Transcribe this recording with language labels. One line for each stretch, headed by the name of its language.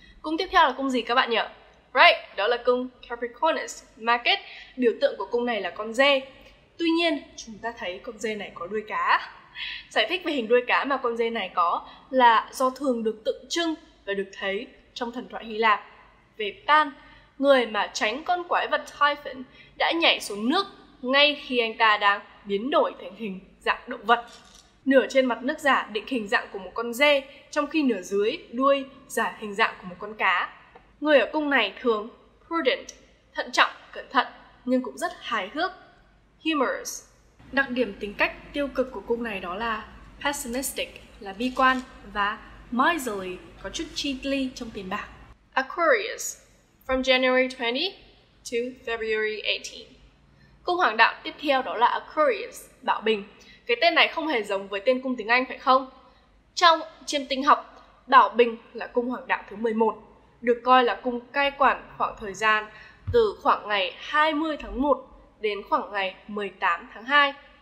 Vietnamese: Cung tiếp theo là cung gì các bạn nhỉ? Right, đó là cung Capricornus. Mà kết biểu tượng của cung này là con dê. Tuy nhiên, chúng ta thấy con dê này có đuôi cá. Giải thích về hình đuôi cá mà con dê này có là do thường được tượng trưng và được thấy trong thần thoại Hy Lạp về Pan, người mà tránh con quái vật Typhon đã nhảy xuống nước ngay khi anh ta đang biến đổi thành hình dạng động vật. Nửa trên mặt nước giả định hình dạng của một con dê, trong khi nửa dưới đuôi giả hình dạng của một con cá. Người ở cung này thường prudent, thận trọng, cẩn thận, nhưng cũng rất hài hước, humorous. Đặc điểm tính cách tiêu cực của cung này đó là pessimistic, là bi quan, và miserly, có chút chi li trong tiền bạc.
English: Aquarius, from January 20 to February 18.
Vietnamese: Cung hoàng đạo tiếp theo đó là Aquarius, bạo bình. Cái tên này không hề giống với tên cung tiếng Anh phải không? Trong chiêm tinh học, bạo bình là cung hoàng đạo thứ 11, được coi là cung cai quản khoảng thời gian từ khoảng ngày 20 tháng 1 đến khoảng ngày 18 tháng 2.